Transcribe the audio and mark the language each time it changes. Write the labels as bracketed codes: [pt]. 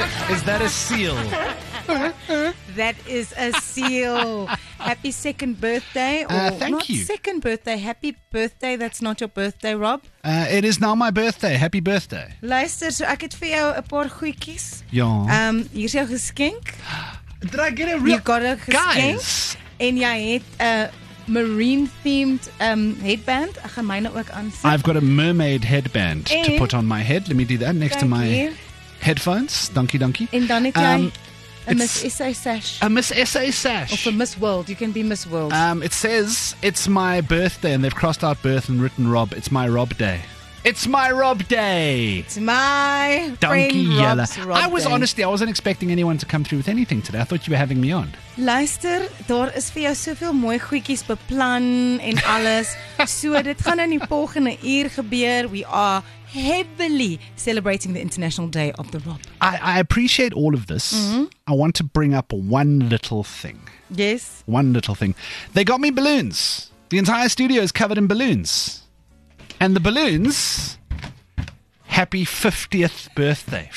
[en] Is that a seal? That is a seal. Happy second birthday. Second birthday. Happy birthday. That's not your birthday, Rob. It is now my birthday. Happy birthday. [af] Luister, so ek het vir jou 'n paar goedjies. Ja. Hier is jou geskenk. [en] Did I get a real... You got a [af] geskenk. Guys. En jy het [en] a marine-themed headband. [af] Ek gaan myne ook aan. [en] I've got a mermaid headband to put on my head. Let me do that next to my headphones. [af] Dankie, dankie. En dan het jy... A Miss SA sash. [en] Or for Miss World. You can be Miss World. It says, it's my birthday, and they've crossed out birth and written Rob. It's my Rob Day. It's my Rob Day. It's my friend Rob's Yella. Rob I was Day. Honestly, I wasn't expecting anyone to come through with anything today. I thought you were having me on. [af] Luister, daar is vir jou soveel mooi goedjies beplan en alles. So, dit gaan in die volgende uur gebeur. [en] We are heavily celebrating the International Day of the Rob. I appreciate all of this. Mm-hmm. I want to bring up one little thing. Yes? One little thing. They got me balloons. The entire studio is covered in balloons. And the balloons, happy 50th birthday.